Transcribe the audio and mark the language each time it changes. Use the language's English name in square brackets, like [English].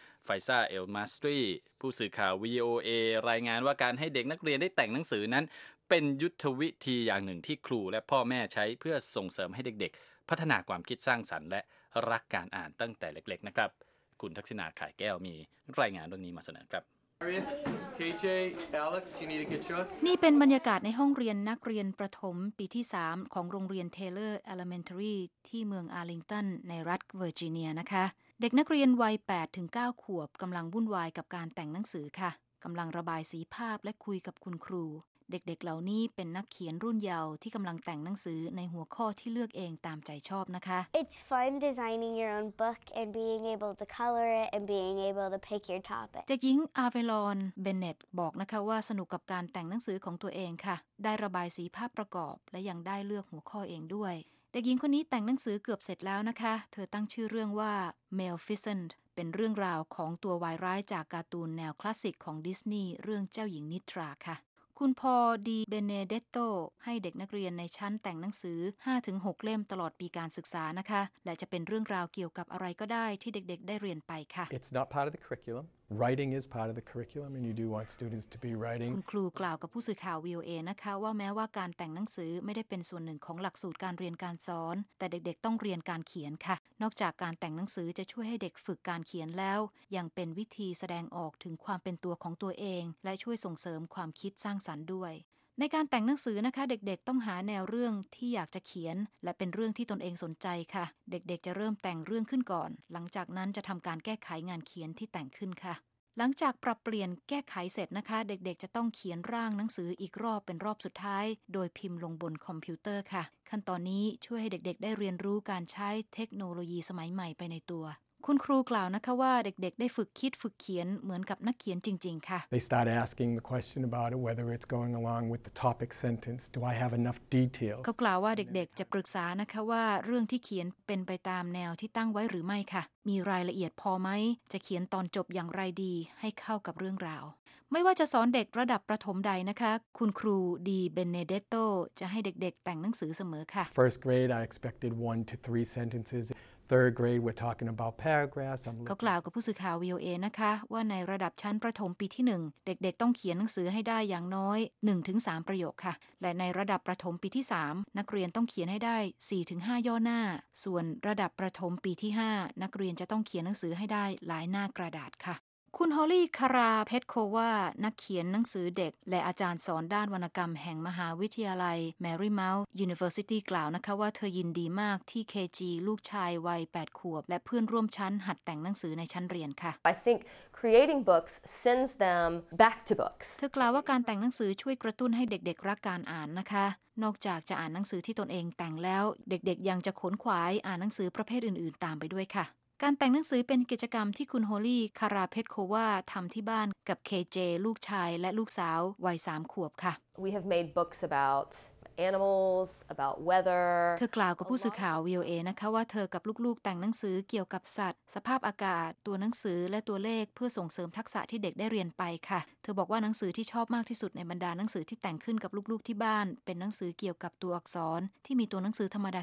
[Thai] ไฟซ่าเอลมาสตรีผู้สื่อข่าว VOA รายงานว่าการให้เด็กนักเรียนได้แต่งหนังสือนั้นเป็นยุทธวิธีอย่างหนึ่งที่ครูและพ่อแม่ใช้เพื่อส่งเสริมให้เด็กๆพัฒนาความคิดสร้างสรรค์และรักการอ่านตั้งแต่เล็กๆนะครับคุณทักษิณาไข่แก้วมีรายงานเรื่องนี้มาเสนอครับ [English] KJ, Alex, you need to get yours. [Thai] นี่เป็นบรรยากาศในห้องเรียนนักเรียนประถมปีที่3ของโรงเรียน Taylor Elementary ที่เมืองอาร์ลิงตันในรัฐเวอร์จิเนียนะคะเด็กนักเรียนวัย8ถึง9ขวบกำลังวุ่นวายกับการแต่งหนังสือค่ะกำลังระบายสีภาพและคุยกับคุณครูเด็กๆ เหล่านี้เป็นนักเขียนรุ่นเยาว์ที่กำลังแต่งหนังสือในหัวข้อที่เลือกเองตามใจชอบนะคะ [English] It's fun designing your own book and being able to color it and being able to pick your topic. [Thai] เด็กหญิงอาเวลอนเบเนตบอกนะคะว่าสนุกกับการแต่งหนังสือของตัวเองค่ะได้ระบายสีภาพประกอบและยังได้เลือกหัวข้อเองด้วยเด็กหญิงคนนี้แต่งหนังสือเกือบเสร็จแล้วนะคะเธอตั้งชื่อเรื่องว่า Maleficent เป็นเรื่องราวของตัววายร้ายจากการ์ตูนแนวคลาสสิกของดิสนีย์เรื่องเจ้าหญิงนิทราค่ะคุณพ่อดีเบเนเดตโตให้เด็กนักเรียนในชั้นแต่งหนังสือ 5-6 เล่มตลอดปีการศึกษานะคะและจะเป็นเรื่องราวเกี่ยวกับอะไรก็ได้ที่เด็กๆได้เรียนไปค่ะ [English] It's not part of the curriculum. Writing is part of the curriculum and you do want students to be writing. [Thai] คุณครูกล่าวกับผู้สื่อข่าว VOA นะคะว่าแม้ว่าการแต่งหนังสือไม่ได้เป็นส่วนหนึ่งของหลักสูตรการเรียนการสอนแต่เด็กๆต้องเรียนการเขียนค่ะนอกจากการแต่งหนังสือจะช่วยให้เด็กฝึกการเขียนแล้วยังเป็นวิธีแสดงออกถึงความเป็นตัวของตัวเองและช่วยส่งเสริมความคิดสร้างสรรค์ด้วย ในการแต่งหนังสือนะคะเด็กๆต้องหาแนวเรื่องที่อยากจะเขียนและเป็นเรื่องที่ตนเองสนใจค่ะเด็กๆจะเริ่มแต่งเรื่องขึ้นก่อนหลังจากนั้นจะทำการแก้ไขงานเขียนที่แต่งขึ้นค่ะหลังจากปรับเปลี่ยนแก้ไขเสร็จนะคะเด็กๆจะต้องเขียนร่างหนังสืออีกรอบเป็นรอบสุดท้ายโดยพิมพ์ลงบนคอมพิวเตอร์ค่ะขั้นตอนนี้ช่วยให้เด็กๆได้เรียนรู้การใช้เทคโนโลยีสมัยใหม่ไปในตัวคุณครูกล่าวนะคะว่าเด็กๆได้ฝึกคิดฝึกเขียนเหมือนกับนักเขียนจริงๆค่ะ [English] They start asking the question about it, whether it's going along with the topic sentence. Do I have enough details? [Thai] เขากล่าวว่าเด็กๆจะปรึกษานะคะว่าเรื่องที่เขียนเป็นไปตามแนวที่ตั้งไว้หรือไม่ค่ะมีรายละเอียดพอไหมจะเขียนตอนจบอย่างไรดีให้เข้ากับเรื่องราวไม่ว่าจะสอนเด็กระดับประถมใดนะคะคุณครูดีเบเนเดตโตจะให้เด็กๆแต่งหนังสือเสมอค่ะ [English] First grade, I expected 1-3 sentences. Third grade, we're talking about paragraphs. [Thai] เขากล่าวกับผู้สื่อข่าว VOA นะคะว่าในระดับชั้นประถมปีที่1เด็กๆต้องเขียนหนังสือให้ได้อย่างน้อย 1-3 ประโยคค่ะและในระดับประถมปีที่3นักเรียนต้องเขียนให้ได้ 4-5 ย่อหน้าส่วนระดับประถมปีที่5นักเรียนจะต้องเขียนหนังสือให้ได้หลายหน้ากระดาษค่ะคุณฮอลลี่คาราเพทโควานักเขียนหนังสือเด็กและอาจารย์สอนด้านวรรณกรรมแห่งมหาวิทยาลัยแมรี่เมาส์ยูนิเวอร์ซิตี้กล่าวนะคะว่าเธอยินดีมากที่ KG ลูกชายวัย8ขวบและเพื่อนร่วมชั้นหัดแต่งหนังสือในชั้นเรียนค่ะ [English] I think creating books sends them back to books [Thai] เธอกล่าวว่าการแต่งหนังสือช่วยกระตุ้นให้เด็กๆรักการอ่านนะคะนอกจากจะอ่านหนังสือที่ตนเองแต่งแล้วเด็กๆยังจะขนขวายอ่านหนังสือประเภทอื่นๆตามไปด้วยค่ะการแต่งหนังสือเป็นกิจกรรมที่คุณโฮลี่คาราเพทโควาทำที่บ้านกับ KJ ลูกชายและลูกสาววัย3ขวบค่ะ [English] We have made books about animals, about weather [Thai] เธอกล่าวกับผู้สื่อข่าว VOA นะคะว่าเธอกับลูกๆแต่งหนังสือเกี่ยวกับสัตว์สภาพอากาศตัวหนังสือและตัวเลขเพื่อส่งเสริมทักษะที่เด็กได้เรียนไปค่ะเธอบอกว่าหนังสือที่ชอบมากที่สุดในบรรดาหนังสือที่แต่งขึ้นกับลูกๆที่บ้านเป็นหนังสือเกี่ยวกับตัวอักษรที่มีตัวหนังสือธรร